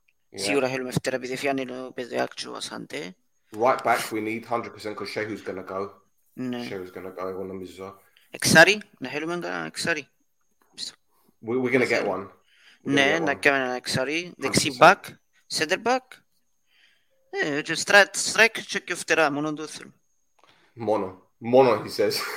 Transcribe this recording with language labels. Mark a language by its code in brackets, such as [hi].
[el] Σίγουρα θέλουμε φτερά, επειδή φιάνει το παιδί άκτσιος. [en] Right back, we need 100%, because Shehu's gonna go. Shehu's gonna go, [el] εγώ νομίζω. Εξάρι, να θέλουμε ένα εξάρι. [en] We're gonna get one. [el] Ναι, να κάνουμε ένα εξάρι. Δεξί back, center back. Strike και φτερά, μόνο το θέλω. [en] Μόνο, he says.